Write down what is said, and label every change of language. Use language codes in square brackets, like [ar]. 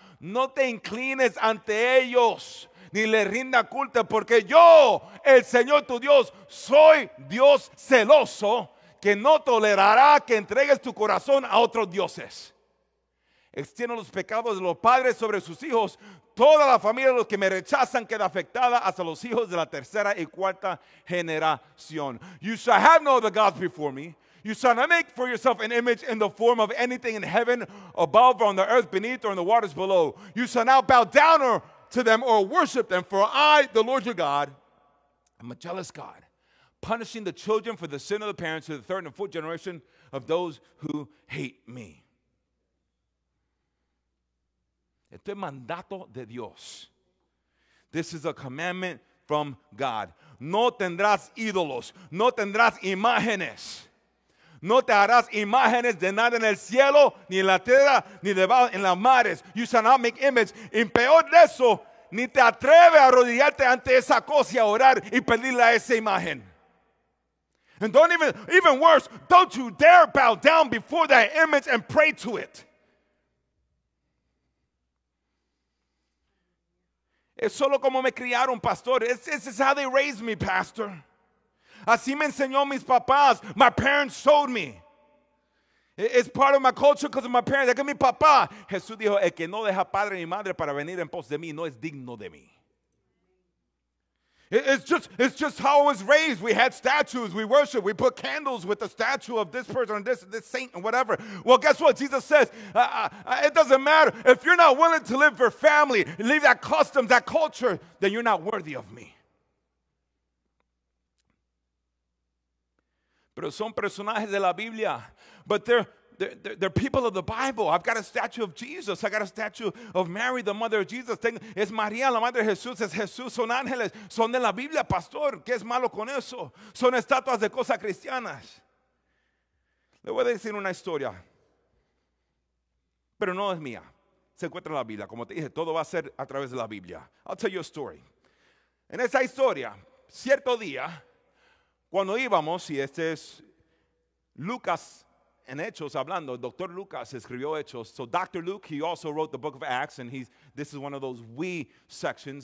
[es] No te inclines ante ellos, ni le rinda culto, porque yo, el Señor tu Dios, soy Dios celoso, que no tolerará que entregues tu corazón a otros dioses. Extiendo los pecados de los padres sobre sus hijos. Toda la familia de los que me rechazan queda afectada hasta los hijos de la tercera y cuarta generación. [en] You shall have no other gods before me. You shall not make for yourself an image in the form of anything in heaven above or on the earth beneath or in the waters below. You shall not bow down to them or worship them. For I, the Lord your God, am a jealous God, punishing the children for the sin of the parents to the third and fourth generation of those who hate me. [es] Esto es mandato de Dios. [en] This is a commandment from God. [es] No tendrás ídolos. No tendrás imágenes. No te harás imágenes de nada en el cielo, ni en la tierra, ni debajo en las mares. [en] You shall not make image. [es] Y peor de eso, ni te atreves a arrodillarte ante esa cosa y a orar y pedirle a esa imagen. [en] And don't even worse, don't you dare bow down before that image and pray to it. [es] Es solo como me criaron, pastor. [en] This is how they raised me, pastor. [es] Así me enseñó mis papás. [en] My parents showed me. It's part of my culture because of my parents. [es] Es que mi papá. Jesús dijo, el que no deja padre ni madre para venir en pos de mí, no es digno de mí. [en] It's just how I was raised. We had statues. We worship. We put candles with the statue of this person, this saint, and whatever. Well, guess what? Jesus says, it doesn't matter. If you're not willing to live for family, leave that customs, that culture, then you're not worthy of me. [es] Pero son personajes de la Biblia. [en] But they're people of the Bible. I've got a statue of Jesus. I got a statue of Mary, the mother of Jesus. [es] Es María, la madre de Jesús. Es Jesús. Son ángeles. Son de la Biblia, pastor. ¿Qué es malo con eso? Son estatuas de cosas cristianas. Le voy a decir una historia. Pero no es mía. Se encuentra en la Biblia. Como te dije, todo va a ser a través de la Biblia. [en] I'll tell you a story. [es] En esa historia, cierto día, cuando íbamos, y este es Lucas en Hechos hablando, Dr. Lucas escribió Hechos. So Dr. [en] Luke, he also wrote the book of Acts, and this is one of those we sections.